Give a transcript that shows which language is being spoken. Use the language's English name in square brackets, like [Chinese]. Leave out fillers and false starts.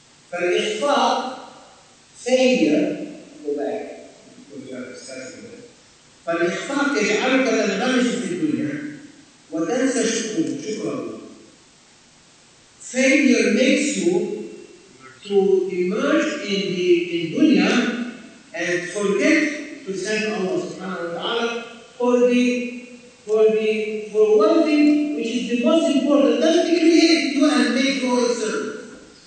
[English] فالإخفاء failure, go back, because you are discussing it. [Arabic] فالإخفاء يجعلك تنغمس في الدنيا وتنسى شكره. [English] Failure makes you to emerge in dunya and forget to thank Allah subhanahu wa ta'ala for the for one thing, which is the most important, just to create you and make you a servant.